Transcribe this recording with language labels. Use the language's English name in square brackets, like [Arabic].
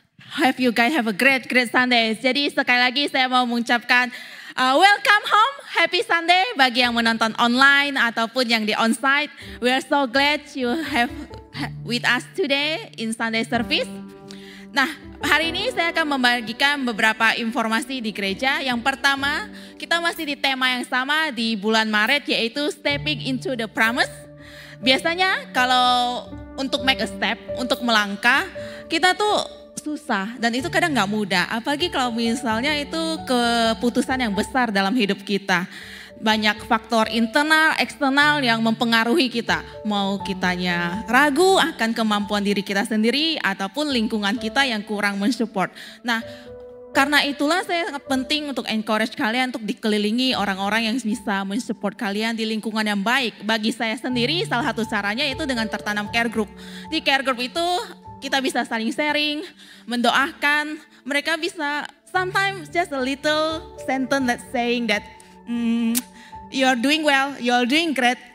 [English] Have you guys have a great, great Sunday. [Indonesian] Jadi sekali lagi saya mau mengucapkan welcome home, happy Sunday bagi yang menonton online ataupun yang di onsite. [English] We are so glad you have with us today in Sunday service. [Indonesian] Nah, hari ini saya akan membagikan beberapa informasi di gereja. Yang pertama, kita masih di tema yang sama di bulan Maret, yaitu Stepping into the Promise. Biasanya kalau untuk [English] make a step, [Indonesian] untuk melangkah, kita tuh susah dan itu kadang gak mudah. Apalagi kalau misalnya itu keputusan yang besar dalam hidup kita. Banyak faktor internal, eksternal yang mempengaruhi kita. Mau kitanya ragu akan kemampuan diri kita sendiri ataupun lingkungan kita yang kurang mensupport. Nah, karena itulah saya sangat penting untuk encourage kalian untuk dikelilingi orang-orang yang bisa mensupport kalian di lingkungan yang baik. Bagi saya sendiri, salah satu caranya itu dengan tertanam care group. Di care group itu kita bisa saling sharing, mendoakan. Mereka bisa [English] sometimes just a little sentence that saying that you're doing well, you're doing great.